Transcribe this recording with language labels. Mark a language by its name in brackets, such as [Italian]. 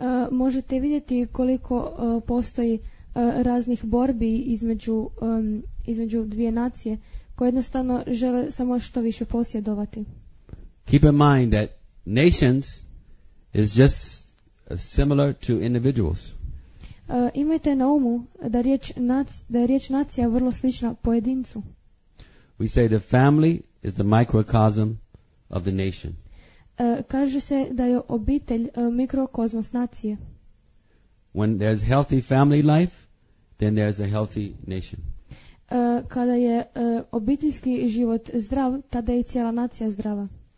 [Croatian] Možete vidjeti koliko postoji raznih borbi između dvije nacije koje jednostavno žele samo što više posjedovati. [English] Keep in mind that nations is just similar to individuals. [Croatian] Imajte na umu da je riječ nacija vrlo slična pojedincu. [English] We say the family is the microcosm of the nation. [Croatian] Kaže se da je obitelj mikrokozmos nacije. [English] When there's healthy family life, then there's a healthy nation. [Croatian] Kada je obiteljski život zdrav, tada je cijela nacija zdrava.